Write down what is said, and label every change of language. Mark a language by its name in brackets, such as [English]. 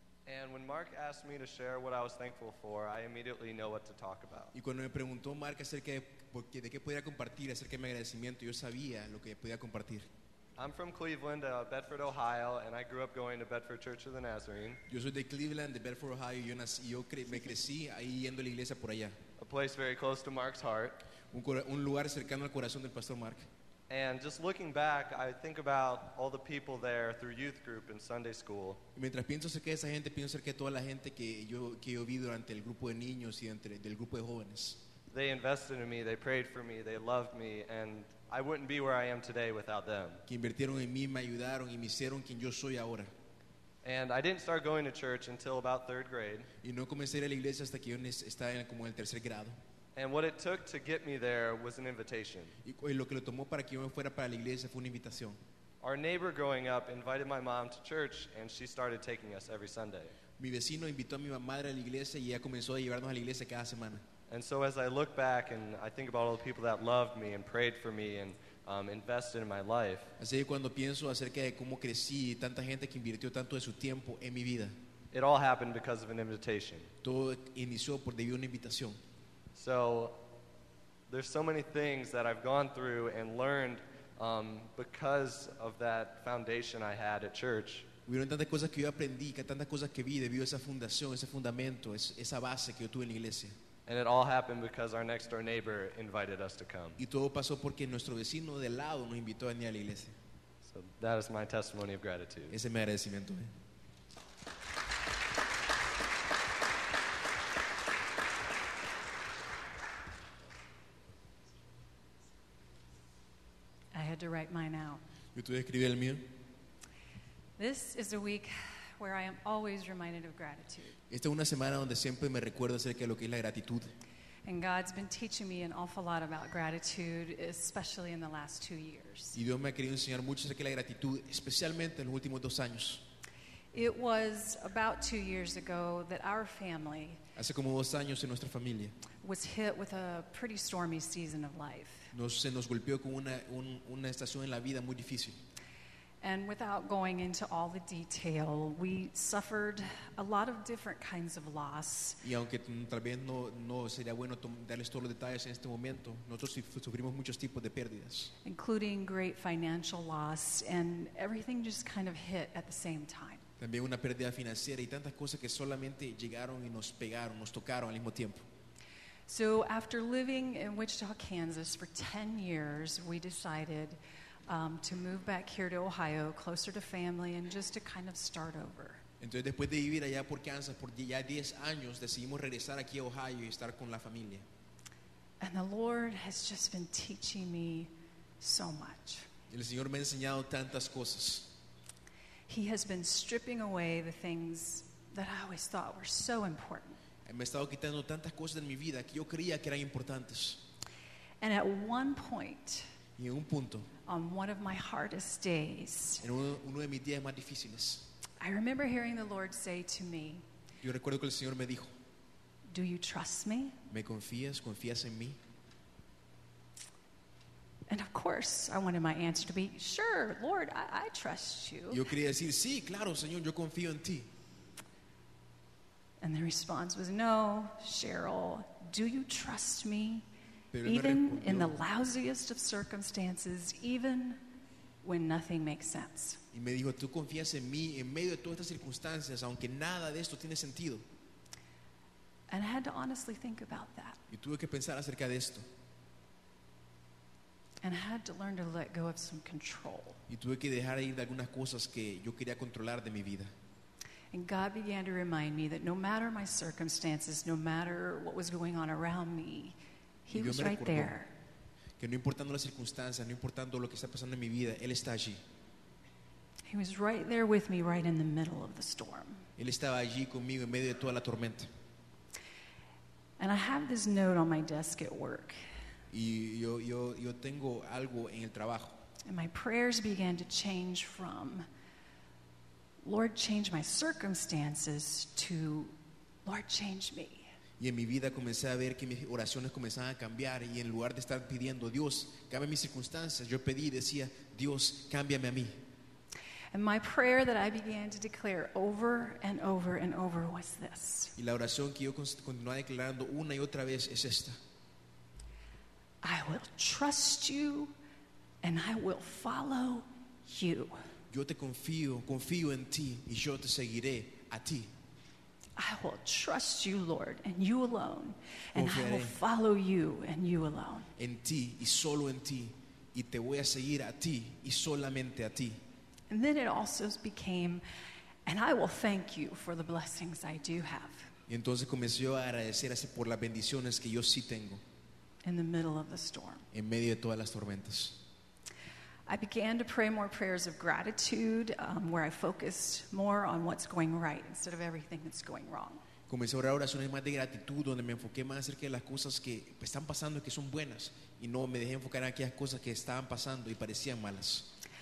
[English] And when Mark asked me to share what I was thankful for, I immediately know what to talk about. [Spanish] Y cuando me preguntó Mark acerca de qué podía compartir, acerca de mi agradecimiento, yo sabía lo que podía compartir. [English] I'm from Cleveland, Bedford, Ohio, and I grew up going to Bedford Church of the Nazarene. [Spanish] Yo soy de Cleveland, de Bedford, Ohio, y me crecí ahí yendo a la iglesia por allá. [English] A place very close to Mark's heart. [Spanish] Un lugar cercano al corazón del pastor Mark. [English] And just looking back, I think about all the people there through youth group and Sunday school. [Spanish] Mientras pienso acerca de esa gente, pienso acerca de toda la gente que yo vi durante el grupo de niños y del grupo de jóvenes. [English] They invested in me, they prayed for me, they loved me, and I wouldn't be where I am today without them. [Spanish] Que invirtieron en mí, me ayudaron y me hicieron quien yo soy ahora. [English] And I didn't start going to church until about third grade. [Spanish] Y no comencé a la iglesia hasta que yo estaba como en el tercer grado. [English] And what it took to get me there was an invitation. [Spanish] Y lo que lo tomó para que yo me fuera para la iglesia fue una invitación. [English] Our neighbor growing up invited my mom to church, and she started taking us every Sunday. [Spanish] Mi vecino invitó a mi madre a la iglesia y ella comenzó a llevarnos a la iglesia cada semana. [English] And so as I look back and I think about all the people that loved me and prayed for me and invested in my life. [Spanish] Así que cuando pienso acerca de cómo crecí y tanta gente que invirtió tanto de su tiempo en mi vida. [English] It all happened because of an invitation. [Spanish] Todo inició por debido a una invitación. [English] So there's so many things that I've gone through and learned because of that foundation I had at church. [Spanish] Hubieron tantas cosas que yo aprendí, tantas cosas que vi debido a esa fundación, ese fundamento, esa base que yo tuve en la iglesia. [English] And it all happened because our next door neighbor invited us to come. [Spanish] Y todo pasó porque nuestro vecino de lado nos invitó a venir a la iglesia. [English] So that is my testimony of gratitude. [Spanish] Ese es mi agradecimiento. [English] I had to write mine out. [Spanish] Yo tuve que escribir el mío. [English] This is a week where I am always reminded of gratitude. [Spanish] Esta es una semana donde siempre me recuerdo acerca de lo que es la gratitud. [English] And God's been teaching me an awful lot about gratitude, especially in the last 2 years. [Spanish] Y Dios me ha querido enseñar mucho acerca de la gratitud, especialmente en los últimos 2 años. [English] It was about 2 years ago that our family [Spanish] hace como 2 años en nuestra familia [English] was hit with a pretty stormy season of life. [Spanish] Se nos golpeó con una estación en la vida muy difícil. [English] And without going into all the detail, we suffered a lot of different kinds of loss. [Spanish] Y aunque tal vez no sería bueno darles todos los detalles en este momento, nosotros sufrimos muchos tipos de pérdidas. [English] Including great financial loss, and everything just kind of hit at the same time. [Spanish] También una pérdida financiera y tantas cosas que solamente llegaron y nos pegaron, nos tocaron al mismo tiempo. [English] So after living in Wichita, Kansas for 10 years, we decided to move back here to Ohio, closer to family, and just to kind of start over. [Spanish] Entonces, después de vivir allá por Kansas por ya 10 años, decidimos regresar aquí a Ohio y estar con la familia. [English] And the Lord has just been teaching me so much. [Spanish] El Señor me ha enseñado tantas cosas. [English] He has been stripping away the things that I always thought were so important. [Spanish] Me ha estado quitando tantas cosas de mi vida que yo creía que eran importantes. [English] And at one point, [Spanish] y en un punto, [English] on one of my hardest days, [Spanish] en uno de mis días más difíciles, [English] I remember hearing the Lord say to me, [Spanish] yo recuerdo que el Señor me dijo, [English] do you trust me? [Spanish] ¿Me confías? ¿Confías en mí? [English] And of course, I wanted my answer to be, sure, Lord, I trust you. [Spanish] Yo quería decir, sí, claro, Señor, yo confío en ti. [English] And the response was, no, Cheryl, do you trust me? Even in the lousiest of circumstances, even when nothing makes sense. [Spanish] Y me dijo, ¿tú confías en mí en medio de todas estas circunstancias, aunque nada de esto tiene sentido? [English] And I had to honestly think about that. [Spanish] Y tuve que pensar acerca de esto. [English] And I had to learn to let go of some control. [Spanish] Y tuve que dejar ir de algunas cosas que yo quería controlar de mi vida. [English] And God began to remind me that no matter my circumstances, no matter what was going on around me, He was right there. [Spanish] que no importando las circunstancias, no importando lo que está pasando en mi vida, Él está allí. [English] He was right there with me right in the middle of the storm. [Spanish] Él estaba allí conmigo en medio de toda la tormenta. [English] And I have this note on my desk at work. [Spanish] Y yo tengo algo en el trabajo. [English] And my prayers began to change from, Lord, change my circumstances, to, Lord, change me. [Spanish] Y en mi vida comencé a ver que mis oraciones comenzaban a cambiar, y en lugar de estar pidiendo, Dios, cambia mis circunstancias, yo pedí y decía, Dios, cámbiame a mí. [English] And my prayer that I began to declare over and over and over was this. [Spanish] Y la oración que yo continuaba declarando una y otra vez es esta. [English] I will trust you and I will follow you. [Spanish] Yo te confío, confío en ti y yo te seguiré a ti. [English] I will trust you, Lord, and you alone. And I will follow you and you alone. [Spanish] En ti y solo en ti, y te voy a seguir a ti y solamente a ti. [English] And then it also became, and I will thank you for the blessings I do have. [Spanish] Y entonces comenzó a agradecerse por las bendiciones que yo sí tengo. [English] In the middle of the storm. [Spanish] En medio de todas las tormentas. [English] I began to pray more prayers of gratitude, where I focused more on what's going right instead of everything that's going wrong. [Spanish] Comencé a orar oraciones más de gratitud, donde me enfoqué más acerca de las cosas que están pasando y que son buenas, y no me dejé enfocar en aquellas cosas que estaban pasando y parecían malas.